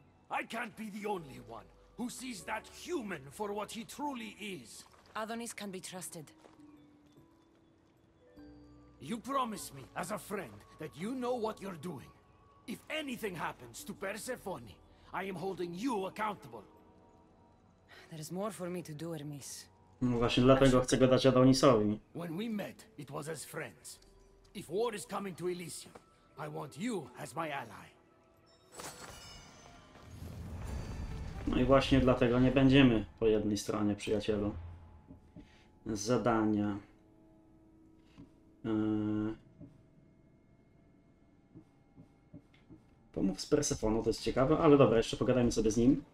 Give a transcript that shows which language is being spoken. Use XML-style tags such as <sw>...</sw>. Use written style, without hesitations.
<en>I can't be the only one who sees that human for what he truly is. Adonis can be trusted. You promise me, as a friend, that you know what you're doing. If anything happens to Persephone, I am holding you accountable. There's more for me to do, Hermes.</en> <pl>No właśnie dlatego chcę go dać Adonisowi.</pl> <en>When we met, it was as friends. If war is coming to Elysium, I want you as my ally.</en> <pl>No i właśnie dlatego nie będziemy po jednej stronie, przyjacielu. Zadania. Pomów z Persefoną, to jest ciekawe, ale dobra, jeszcze pogadajmy sobie z nim.</pl>